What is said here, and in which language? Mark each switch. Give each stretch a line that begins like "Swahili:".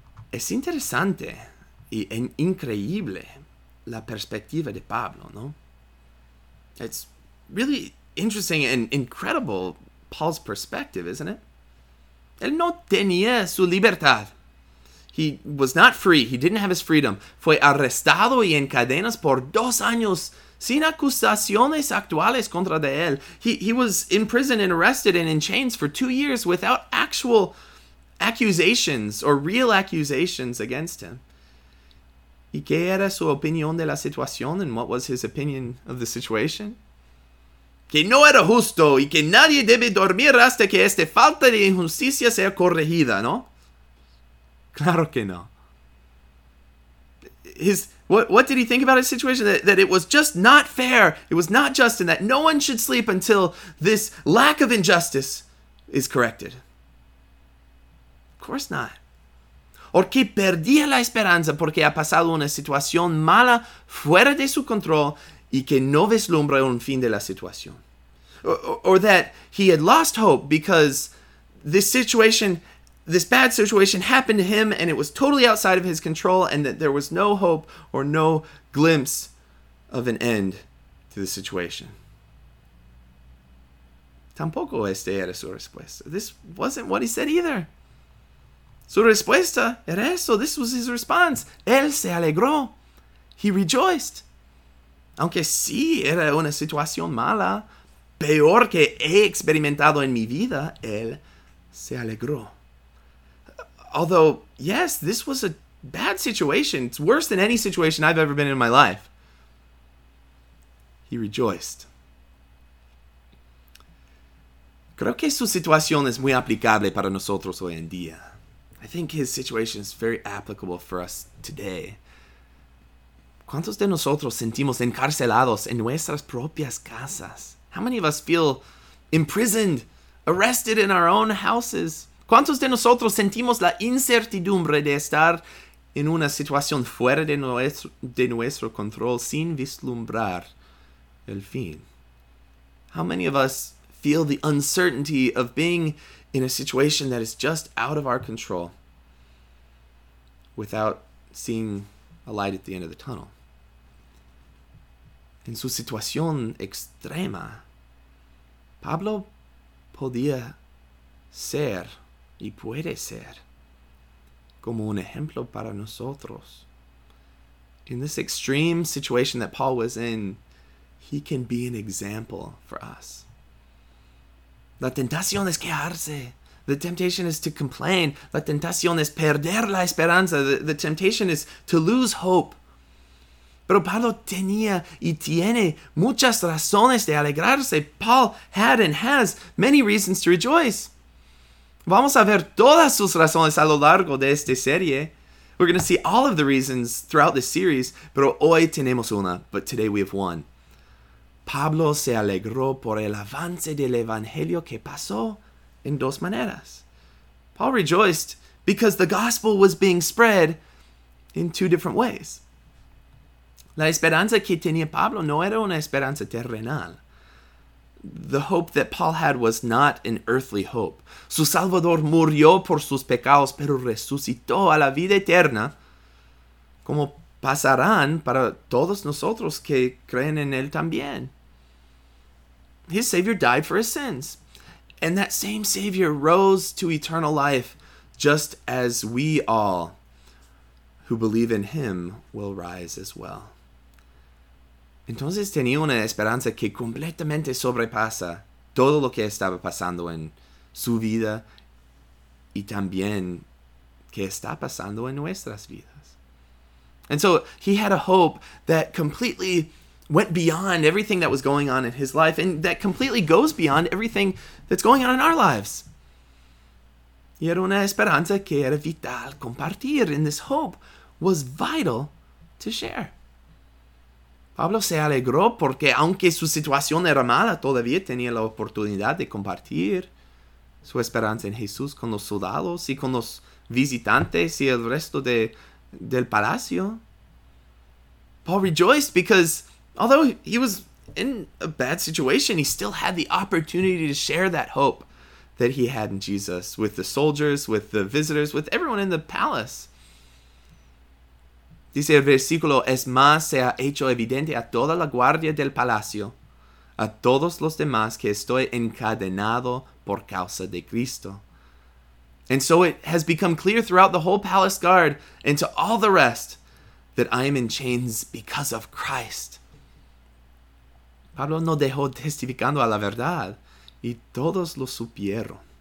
Spanish: Es interesante y increíble la perspectiva de Pablo, ¿no?
English: It's really interesting and incredible, Paul's perspective, isn't it?
Spanish: Él no tenía su libertad.
English: He was not free. He didn't have his freedom.
Spanish: Fue arrestado y en cadenas por 2 años sin acusaciones actuales contra de él.
English: He was in prison and arrested and in chains for 2 years without actual accusations or real accusations against him.
Spanish: ¿Y qué era su opinión de la situación?
English: And what was his opinion of the situation?
Spanish: Que no era justo y que nadie debe dormir hasta que esta falta de injusticia sea corregida, ¿no? Claro que no.
English: What did he think about his situation? That it was just not fair, it was not just, and that no one should sleep until this lack of injustice is corrected. Of course not.
Spanish: O que perdía la esperanza porque ha pasado una situación mala fuera de su control y que no vislumbra un fin de la situación.
English: Or that he had lost hope because this bad situation happened to him and it was totally outside of his control and that there was no hope or no glimpse of an end to the situation.
Spanish: Tampoco este era su respuesta.
English: This wasn't what he said either.
Spanish: Su respuesta era eso.
English: This was his response.
Spanish: Él se alegró.
English: He rejoiced.
Spanish: Aunque sí era una situación mala, peor que he experimentado en mi vida, él se alegró.
English: Although, yes, this was a bad situation. It's worse than any situation I've ever been in my life. He rejoiced.
Spanish: Creo que su situación es muy aplicable para nosotros hoy en día.
English: I think his situation is very applicable for us today.
Spanish: ¿Cuántos de nosotros sentimos encarcelados en nuestras propias casas?
English: How many of us feel imprisoned, arrested in our own houses?
Spanish: ¿Cuántos de nosotros sentimos la incertidumbre de estar en una situación fuera de nuestro control sin vislumbrar el fin?
English: How many of us feel the uncertainty of being in a situation that is just out of our control without seeing a light at the end of the tunnel?
Spanish: En su situación extrema, Pablo podía ser y puede ser como un ejemplo para nosotros.
English: In this extreme situation that Paul was in, he can be an example for us.
Spanish: La tentación es quejarse.
English: The temptation is to complain.
Spanish: La tentación es perder la esperanza.
English: The temptation is to lose hope.
Spanish: Pero Pablo tenía y tiene muchas razones de alegrarse.
English: Paul had and has many reasons to rejoice.
Spanish: Vamos a ver todas sus razones a lo largo de esta serie.
English: We're going to see all of the reasons throughout this series,
Spanish: pero hoy tenemos una,
English: but today we have one.
Spanish: Pablo se alegró por el avance del evangelio que pasó en dos maneras.
English: Paul rejoiced because the gospel was being spread in 2 different ways.
Spanish: La esperanza que tenía Pablo no era una esperanza terrenal.
English: The hope that Paul had was not an earthly hope.
Spanish: Su Salvador murió por sus pecados, pero resucitó a la vida eterna, como pasarán para todos nosotros que creen en él también.
English: His Savior died for his sins, and that same Savior rose to eternal life, just as we all who believe in him will rise as well.
Spanish: Entonces tenía una esperanza que completamente sobrepasa todo lo que estaba pasando en su vida y también que está pasando en nuestras vidas.
English: And so he had a hope that completely went beyond everything that was going on in his life, and that completely goes beyond everything that's going on in our lives.
Spanish: Y era una esperanza que era vital compartir,
English: and this hope was vital to share.
Spanish: Pablo se alegró porque aunque su situación era mala, todavía tenía la oportunidad de compartir su esperanza en Jesús con los soldados y con los visitantes y el resto del palacio.
English: Paul rejoiced because although he was in a bad situation, he still had the opportunity to share that hope that he had in Jesus with the soldiers, with the visitors, with everyone in the palace.
Spanish: Dice el versículo, es más, se ha hecho evidente a toda la guardia del palacio, a todos los demás, que estoy encadenado por causa de Cristo.
English: And so it has become clear throughout the whole palace guard and to all the rest that I am in chains because of Christ.
Spanish: Pablo no dejó testificando a la verdad, y todos lo supieron.